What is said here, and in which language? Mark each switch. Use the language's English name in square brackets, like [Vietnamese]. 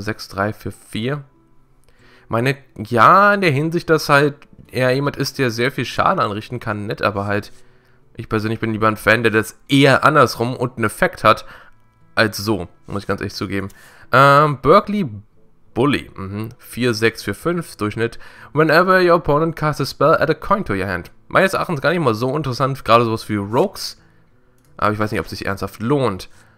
[German] 6-3-4-4. Meine, ja, in der Hinsicht, dass halt er jemand ist, der sehr viel Schaden anrichten kann, nett, aber halt, ich persönlich bin lieber ein Fan, der das eher andersrum und einen Effekt hat, als so, muss ich ganz ehrlich zugeben. Berkeley Bully, 4-6-4-5, Durchschnitt. [English] Whenever your opponent casts a spell, add a coin to your hand. [German] Meines Erachtens gar nicht mal so interessant, gerade sowas wie Rogues. Aber ich weiß nicht, ob es sich ernsthaft lohnt.